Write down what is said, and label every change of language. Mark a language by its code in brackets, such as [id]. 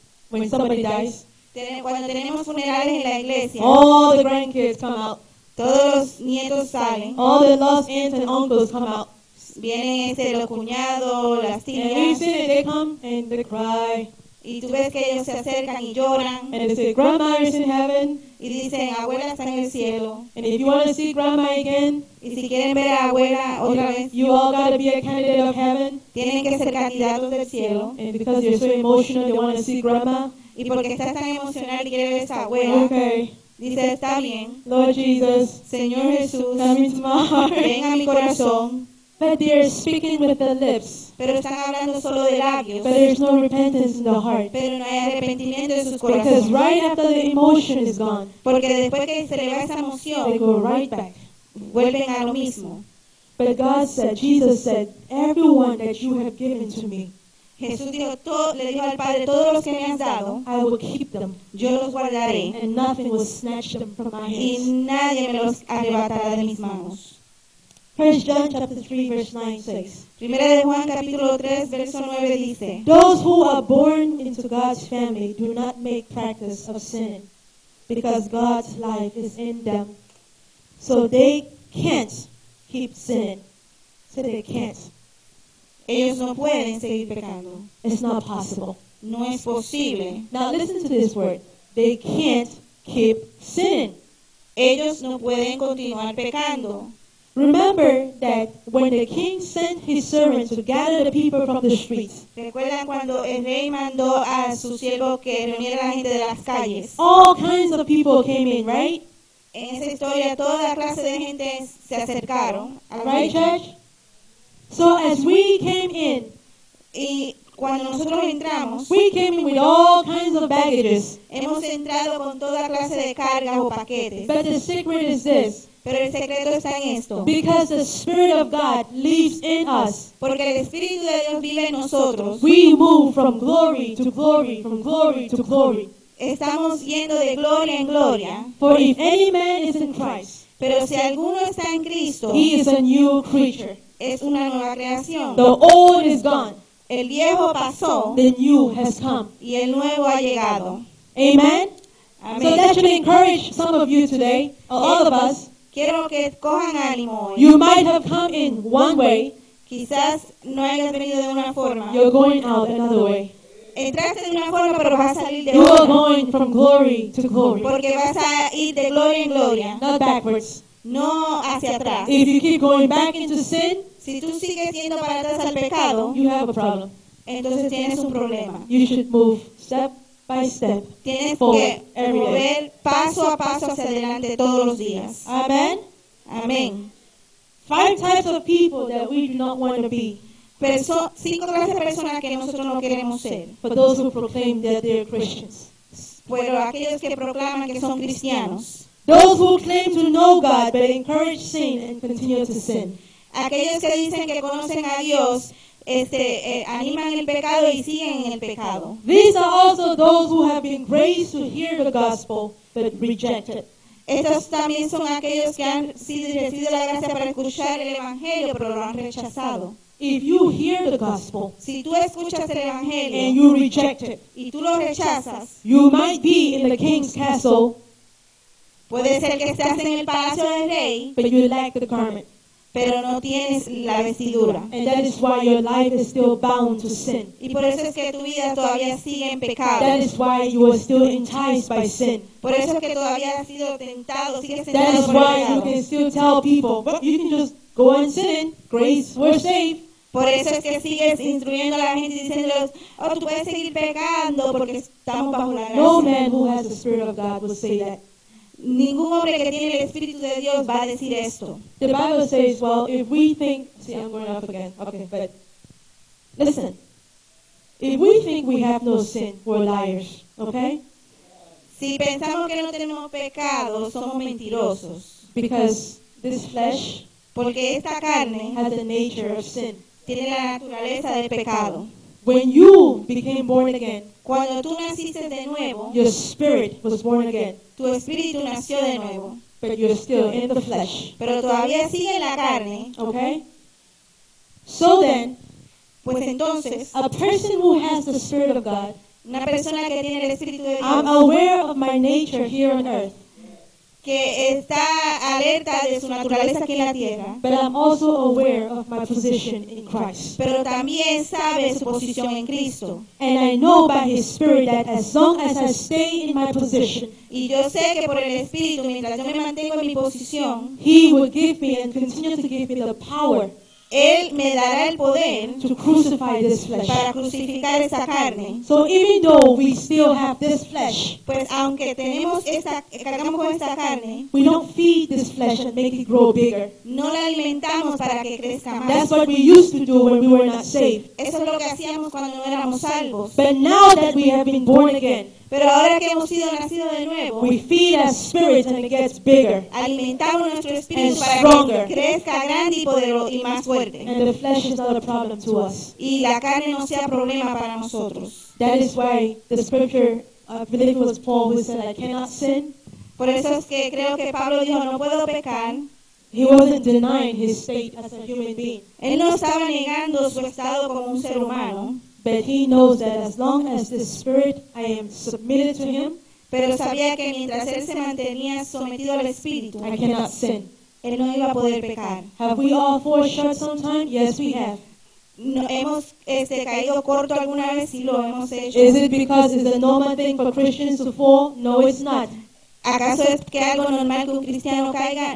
[en] When somebody dies, [es] cuando tenemos funerales en la iglesia, [en] all the grandkids come out. [es] Todos los nietos salen. [en] All the lost aunts and uncles come out. [es] Vienen los cuñados, las tías. [en] And we sin and they come and they cry. [es] Y tú ves que ellos se acercan y lloran. [en] And they say, Grandma is in heaven. [es] Y dicen, abuela está en el cielo. [en] And if you want to see Grandma again, [es] y si quieren ver a abuela otra vez, [en] you all got to be a candidate of heaven. [es] Tienen que ser candidatos del cielo. [en] And because you're so emotional, you want to see Grandma. [es] Y porque estás tan emocional y quieres ver a esa abuela. [en] Okay. [es] Dice, está bien. [en] Lord Jesus. [es] Señor Jesús. [en] Come into my heart. [es] Ven a mi corazón. [en] But they are speaking with their lips. [es] Pero están hablando solo de labios. [en] But there is no repentance in the heart. [es] Pero no hay arrepentimiento en sus corazones. [en] Because right after the emotion is gone, [es] porque después que se le va esa emoción, [en] they go right back. [es] Vuelven a lo mismo. [en] But God said, Jesus said, everyone that you have given to me, [es] Jesús dijo, le dijo al Padre, todos los que me has dado, [en] I will keep them. [es] Yo los guardaré. [en] And nothing will snatch them from my hands. [es] Y nadie me los arrebatará de mis manos. [en] 1 John chapter 3, verse 9 says, [es] Primera de Juan, capítulo 3, verso 9 dice, [en] those who are born into God's family do not make practice of sin, because God's life is in them. So they can't keep sin. So they can't. [es] Ellos no pueden seguir pecando. [en] It's not possible. [es] No es posible. [en] Now listen to this word. They can't keep sin. [es] Ellos no pueden continuar pecando. [en] Remember that when the king sent his servants to gather the people from the streets, [es] ¿recuerdan cuando el rey mandó a su siervo que reuniera a la gente de las calles? [en] All kinds of people came in, right? [es] En esa historia, toda clase de gente se acercaron. [en] Right, church? So as we came in, [es] y cuando nosotros entramos, [en] we came in with all kinds of baggages. [es] Hemos entrado con toda clase de cargas o paquetes. [en] But the secret is this. [es] Pero el secreto está en esto. [en] Because the Spirit of God lives in us. [es] Porque el Espíritu de Dios vive en nosotros. [en] We move from glory to glory, from glory to glory. [es] Estamos yendo de gloria en gloria. [en] For if any man is in Christ, [es] pero si alguno está en Cristo, [en] he is a new creature. [es] Es una nueva creación. [en] The old is gone. [es] El viejo pasó. [en] The new has come. [es] Y el nuevo ha llegado. [en] Amen? [es] Amen. [en] So that should encourage some of you today, all of us. [es] Quiero que cojan ánimo hoy. [en] You might have come in one way. [es] Quizás no hayas venido de una forma. [en] You're going out another way. [es] Entraste de una forma, pero vas a salir de otra. [en] You are going from glory to glory. [es] Porque vas a ir de gloria en gloria. [en] Not backwards. [es] No hacia atrás. [en] If you keep going back into sin, [es] si tú sigues yendo para atrás al pecado, [en] you have a problem. [es] Entonces tienes un problema. [en] You should move step by step. [es] Tienes que mover paso a paso hacia adelante todos los días. [en] Amen. [es] Amen. [en] Five types of people that we do not want to be. [es] Cinco clases de personas que nosotros no queremos ser. [en] For those who proclaim that they are Christians. [es] Pero aquellos que proclaman que son cristianos. [en] Those who claim to know God but encourage sin and continue to sin. [es] Aquellos que dicen que conocen a Dios, animan el pecado y siguen en el pecado. [en] These are also those who have been raised to hear the gospel but reject it. [es] Estos también son aquellos que han recibido la gracia para escuchar el evangelio pero lo han rechazado. [en] If you hear the gospel, [es] si tú escuchas el evangelio, [en] and you reject it, [es] y tú lo rechazas, [en] you might be in the king's castle. [es] Puede ser que estás en el palacio del rey, [en] but you lack the garment. [es] Pero no tienes la vestidura. [en] And that is why your life is still bound to sin. [es] Y por eso es que tu vida todavía sigue en pecado. [en] That is why you are still enticed by sin. [es] Por eso es que todavía has sido tentado, sigues tentado. [en] That is why you can still tell people, well, you can just go and sin, grace, we're safe. [es] Por eso es que sigues instruyendo a la gente y diciéndoles, oh, tú puedes seguir pecando porque estamos bajo la gracia. [en] No man who has the Spirit of God will say that. [es] Ningún hombre que tiene el Espíritu de Dios va a decir esto. [en] The Bible says, well, if we think, see, I'm going off again, okay, but listen, if we think we have no sin, we're liars, okay? [es] Si pensamos que no tenemos pecado, somos mentirosos. [en] Because this flesh, [es] porque esta carne, [en] has the nature of sin. [es] Tiene la naturaleza del pecado. [en] When you became born again, [es] cuando tú naciste de nuevo, [en] your spirit was born again. [es] Tu espíritu nació de nuevo. [en] But you're still in the flesh. [es] Pero todavía sigue en la carne. [en] Okay? So then, [es] pues entonces, [en] a person who has the Spirit of God, [es] una persona que tiene el espíritu de Dios, [en] I'm aware of my nature here on earth. [es] Que está alerta de su naturaleza aquí en la tierra. [en] But I'm also aware of my position in Christ. [es] Pero también sabe su posición en Cristo. [en] And I know by His Spirit that as long as I stay in my position, [es] y yo sé que por el Espíritu, mientras yo me mantengo en mi posición, [en] He will give me and continue to give me the power. [es] Él me dará el poder [en] to crucify this flesh. [es] Para crucificar esa carne. [en] So even though we still have this flesh, [es] pues aunque tenemos cargamos con esta carne, [en] we don't feed this flesh and make it grow bigger. [es] No la alimentamos para que crezca más. [en] That's what we used to do when we were not saved. [es] Eso es lo que hacíamos cuando no éramos salvos. [en] But now that we have been born again, [es] pero ahora que hemos sido nacidos de nuevo, [en] we feed our spirit and it gets bigger. [es] Alimentamos nuestro espíritu [en] and [es] para [en] stronger. [es] Que crezca grande y poderoso y más fuerte. [en] And the flesh is not a problem to us. [es] Y la carne no sea problema para nosotros. [en] That is why the scripture of Philippians Paul who said, I cannot sin. [es] Por eso es que creo que Pablo dijo, no puedo pecar. [en] He wasn't denying his state as a human being. [es] Él no estaba negando su estado como un ser humano. [en] But he knows that as long as this spirit I am submitted to him, [es] pero sabía que mientras él se mantenía sometido al espíritu, [en] I cannot sin. [es] Él no iba a poder pecar. [en] Have we all fallen short sometimes? Yes, we have. [es] No, hemos caído corto alguna vez, sí lo hemos hecho. [en] Is it because it's a normal thing for Christians to fall? No, it's not. [es] ¿Acaso es que algo normal que un cristiano caiga?